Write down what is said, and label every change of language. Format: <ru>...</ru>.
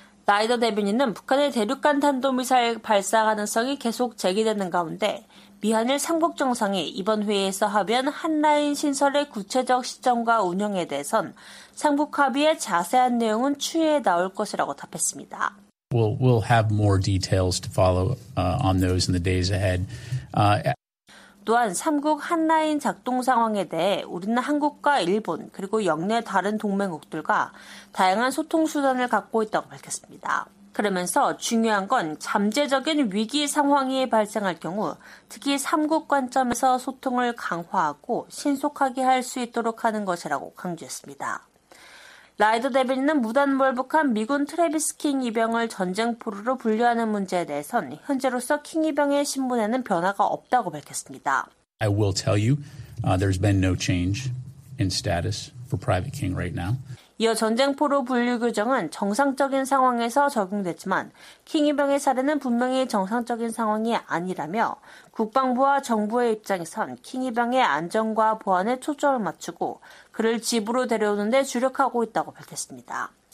<ko>라이더 대변인은 북한의 대륙간 탄도미사일 발사 가능성이 계속 제기되는 가운데 미한일 3국 정상이 이번 회의에서 합의한 한라인 신설의 구체적 시점과 운영에 대해선 3국 합의의 자세한 내용은 추후에 나올 것이라고 답했습니다.</ko> <en>We'll have more details to follow on those in the days ahead.</en> <ko>또한 3국 한라인 작동 상황에 대해 우리는 한국과 일본 그리고 역내 다른 동맹국들과 다양한 소통 수단을 갖고 있다고 밝혔습니다. 그러면서 중요한 건 잠재적인 위기 상황이 발생할 경우 특히 3국 관점에서 소통을 강화하고 신속하게 할 수 있도록 하는 것이라고 강조했습니다. 라이더 대변인은 무단 몰북한 미군 트래비스 킹 이병을 전쟁포로로 분류하는 문제에 대해선 현재로서 킹 이병의 신분에는 변화가 없다고 밝혔습니다.</ko> <en>I will tell you there's been no change in status for Private King right now.</en> <ko>이어 전쟁포로 분류 규정은 정상적인 상황에서 적용됐지만 킹 이병의 사례는 분명히 정상적인 상황이 아니라며 국방부와 정부의 입장에선 킹 이병의 안전과 보안에 초점을 맞추고 그를 집으로 데려오는 데 주력하고 있다고 밝혔습니다.</ko>